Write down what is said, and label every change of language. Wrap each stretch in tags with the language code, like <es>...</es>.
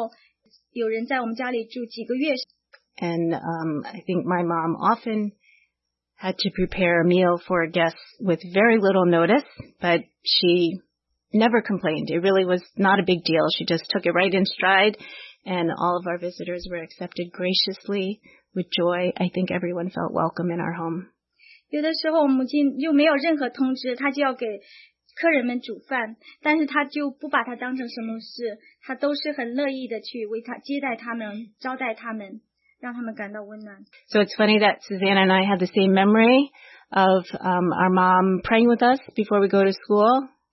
<zh>在过往的年日里，他们邀请了很多人，在我们家里面居住，有的时候只是一两个小时，有的时候有人在我们家里住几个月。</zh> <en>And I think my mom often had to prepare a meal for guests with very little notice, but she never complained. It really was not a big deal. She just took it right in stride, and all of our visitors were accepted graciously with joy. I think everyone felt welcome in our home.</en> <zh>有的时候母亲又没有任何通知，她就要给客人们煮饭，但是她就不把它当成什么事，她都是很乐意的去为她接待他们，招待他们，让他们感到温暖。</zh> <en>So it's funny that Susanna and I have the same memory of our mom praying with us before we go to school.</en>